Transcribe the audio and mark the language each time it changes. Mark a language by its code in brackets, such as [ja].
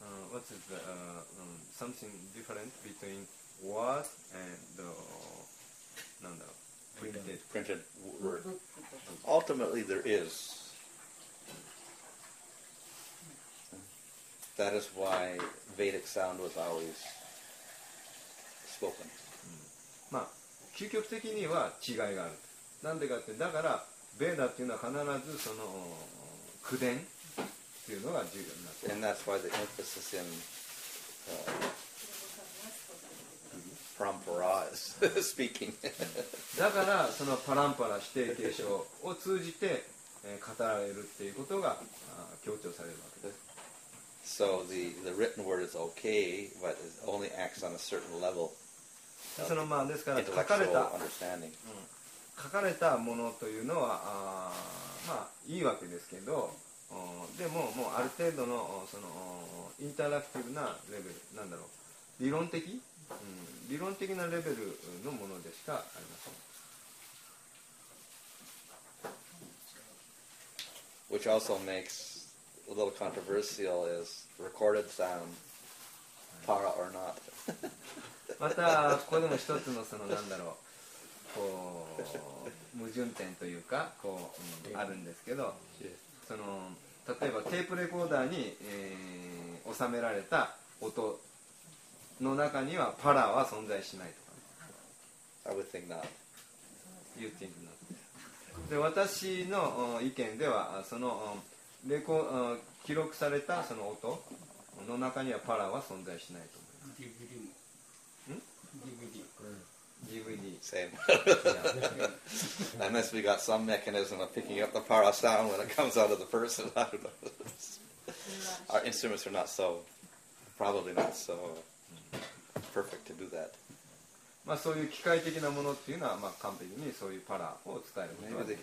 [en] What is the, something different between word and the, printed word? Ultimately, there is. That is why Vedic sound was always spoken. [ja] まあ、究極的には違いがある。なんでかって、だから、ベーダっていうのは必ずその口伝っていうのが重要になってる。 [en] And that's why the emphasis in parampara is speaking. [ja] だからそのパランパラ指定継承を通じて語られるっていうことが強調されるわけです。 [en] So the written word is okay, but it only acts on a certain level. [ja] そのまあですから書かれた。 [en] Understanding. [ja] 書かれたものというのはまあいいわけですけど、でももうある程度のそのインタラクティブなレベル、なんだろう、理論的、理論的なレベルのものでしかありません。 [en] Which also makes a little controversial is recorded sound, para or not. [ja] またここでも一つのそのなんだろう。こう矛盾点というかこう、あるんですけど、その例えばテープレコーダーに、収められた音の中にはパラは存在しないとか、ね、 [en] I would think not. You think not. [ja] で私の意見ではそのレコ記録されたその音の中にはパラは存在しないと思います。 [en] DVD も。DVD。 DVD. Same. Unless we got some mechanism of picking up the para sound when it comes out of the person. I don't know. Our instruments are not so, probably not so perfect to do that. [ja] まあそういう機械的なものっていうのはまあ完璧にそういうパラを伝えることができ